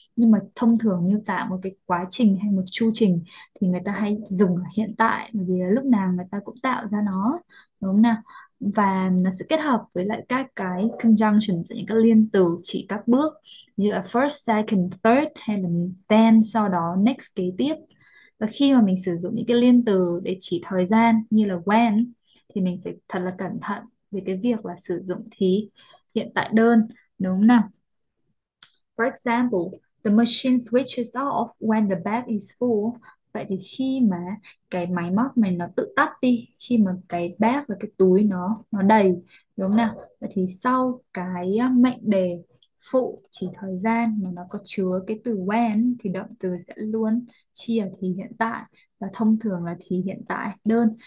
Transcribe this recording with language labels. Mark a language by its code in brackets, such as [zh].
[vi] Nhưng mà thông thường miêu tả một cái quá trình hay một chu trình thì người ta hay dùng hiện tại, bởi vì lúc nào người ta cũng tạo ra nó, đúng nào, và nó sẽ kết hợp với lại các cái conjunctions, những cái liên từ chỉ các bước, như là first, second, third, hay là then, sau đó, next, kế tiếp. Và khi mà mình sử dụng những cái liên từ để chỉ thời gian như là when, thì mình phải thật là cẩn thận về cái việc là sử dụng thì hiện tại đơn, đúng nào. [en] For example, the machine switches off when the bag is full. [vi] Vậy thì khi mà cái máy móc này nó tự tắt đi, khi mà cái bag và cái túi nó đầy, đúng nào, vậy thì sau cái mệnh đề phụ chỉ thời gian mà nó có chứa cái từ when, thì động từ sẽ luôn chia thì hiện tại, và thông thường là thì hiện tại đơn.